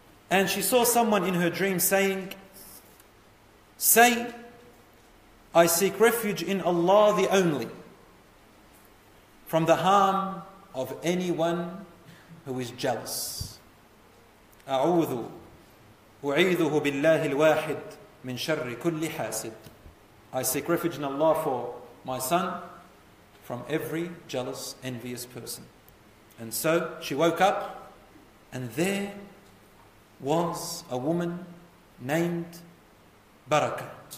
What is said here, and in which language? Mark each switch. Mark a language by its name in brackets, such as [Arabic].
[English] And she saw someone in her dream saying, "Say, I seek refuge in Allah the only, from the harm of anyone who is jealous. [Arabic] أعوذ بالله الواحد من شر كل حاسد. [English] I seek refuge in Allah for my son from every jealous, envious person." And so she woke up, and there was a woman named Barakah.